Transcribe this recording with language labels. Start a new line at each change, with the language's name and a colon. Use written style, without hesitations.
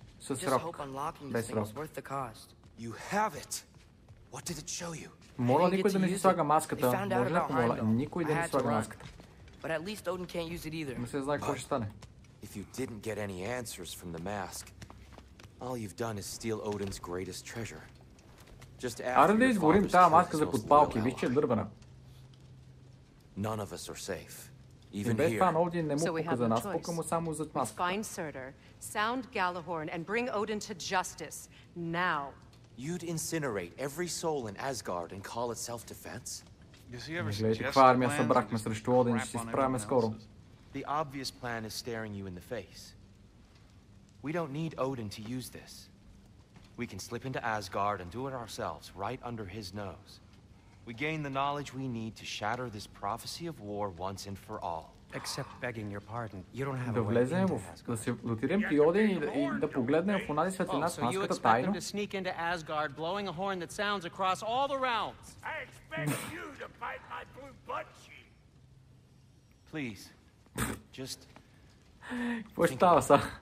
English: I just hope unlocking this thing is worth the cost. You have it. What did it show you?
Bulgarian: Моля никой да не си слага маската. Моля, моля, никой да не слага маската.
English: But at least Odin can't use it either.
Bulgarian: Не се знае какво ще стане.
English: If you didn't get any answers from the mask, all you've done is steal Odin's greatest treasure. Just after.
Bulgarian: Аре да изгорим тази маска за подпалки, вижте, дървена.
English: None of us are safe. Even here. So we have no choice. Let's find Surtur, sound Gjallarhorn, and bring Odin to justice. Now. You'd incinerate every soul in Asgard and call it self-defense? Does he ever suggest plans? The obvious plan is staring you in the face. We don't need Odin to use this. We can slip into Asgard and do it ourselves, right under his nose. We gain the knowledge we need to shatter this prophecy of war once and for all. Except begging your pardon, you don't have a way into Asgard.
Bulgarian: Да се лутирам при Один и да погледнем в онази светлина с маската тайно.
English: So you expect him to sneak into Asgard, blowing a horn that sounds across all the realms? I expect you to bite my blue butt cheek. Please, just...
Bulgarian: Какво става са?